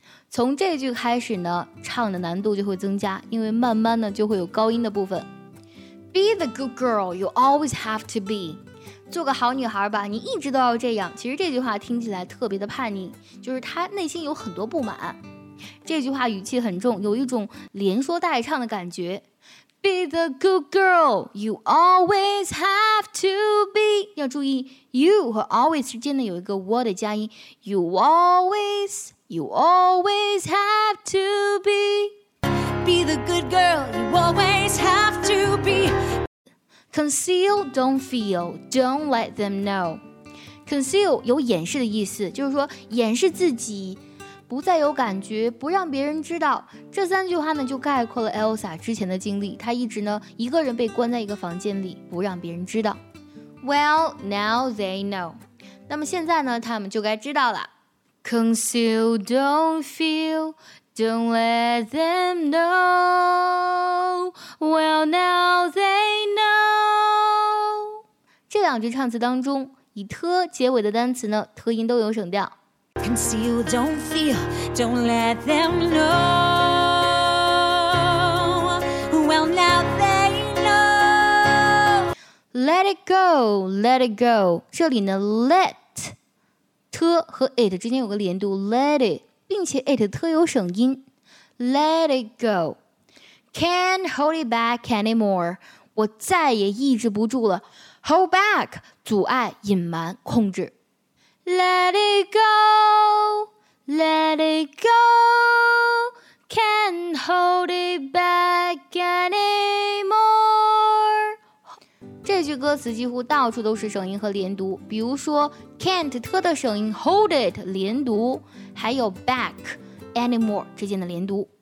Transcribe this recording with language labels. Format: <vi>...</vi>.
<zh>从这句开始呢，唱的难度就会增加，因为慢慢呢就会有高音的部分。</zh> <en>Be the good girl you always have to be.</en> <zh>做个好女孩吧，你一直都要这样。其实这句话听起来特别的叛逆，就是她内心有很多不满。这句话语气很重，有一种连说带唱的感觉。</zh> <en>Be the good girl you always have to be.</en> <zh>要注意 you 和 always 之间的有一个 what 的加音。</zh> <en>You always have to be. Be the good girl you always have to be. Conceal, don't feel, don't let them know.</en> <zh>Conceal 有掩饰的意思，就是说掩饰自己。不再有感觉，不让别人知道，这三句话呢就概括了 Elsa 之前的经历。她一直呢一个人被关在一个房间里，不让别人知道。</zh> <en>Well, now they know.</en> <zh>那么现在呢他们就该知道了。</zh> <en>Conceal, don't feel, don't let them know. Well, now they know.</en> <zh>这两句唱词当中以 t 结尾的单词呢 t 音都有省掉。</zh> <en>Conceal, don't feel, don't let them know. Well, now they know. Let it go, let it go.</en> <zh>这里呢</zh> <en>let</en> <zh>特和 it 之间有个连读 let it， 并且 it 特有省音 let it go。</zh> <en>Can't hold it back anymore，</en> <zh>我再也抑制不住了。 Hold back， 阻碍隐瞒控制。</zh> <en>Let it go， let it go， Can't hold it back anymore。</en> <zh>这句歌词几乎到处都是省音和连读，比如说 can't 特的省音 hold it 连读，还有 back anymore 之间的连读。</zh>